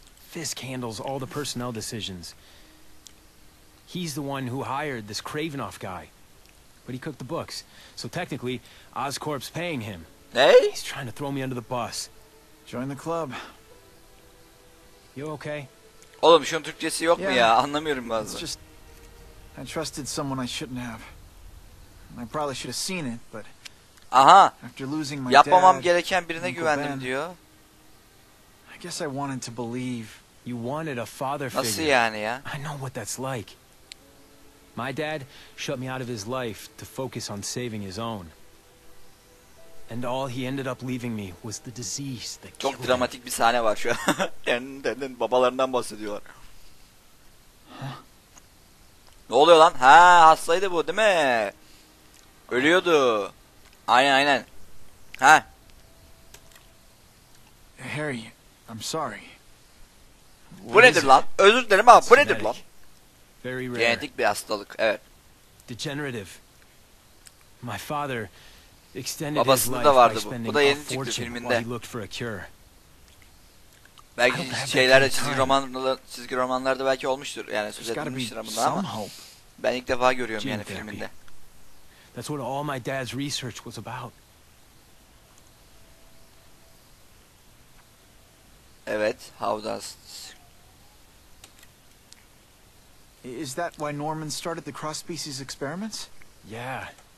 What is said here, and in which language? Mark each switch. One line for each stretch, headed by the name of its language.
English: Fisk handles all the personnel decisions. He's the one who hired this Kravenoff guy. But he cooked the books. So technically, Oscorp's paying him. Hey? He's trying to throw me under the bus. Join the club. You okay?
Turkish: Oğlum şunun Türkçesi yok mu ya? Anlamıyorum bazen.
English: It's just I trusted someone I shouldn't have. I probably should have seen it, but
Turkish: aha,
English: after losing my
Turkish: yapmamam
English: dad,
Turkish: gereken birine Uncle güvendim ben, diyor.
English: I guess I wanted to believe you wanted a father figure.
Turkish: Nasıl yani ya?
English: I know what that's like. My dad shut me out of his life to focus on saving his own. And all he ended up leaving me was the disease that killed him.
Turkish: Çok dramatik bir sahne var şu an. Kendinden babalarından bahsediyorlar. Ne oluyor lan? Ha, hastaydı bu değil mi? Ölüyordu. Aynen. Ha?
English: Harry, I'm sorry.
Turkish: Bu nedir lan? Özür dilerim ama bu nedir lan? Genetik bir hastalık. Evet. Degenerative.
English: My father extended his life.
Turkish: Babasında vardı bu. Bu da yeni çıktı filminde. Belki şeylerde, çizgi romanlarda belki olmuştur. Yani söz edilmiştir bundan ama ben ilk defa görüyorum yani filminde.
English: That's what all my dad's research was about.
Turkish: Evet,
English: how does is that why Norman started the cross species experiments? Yeah.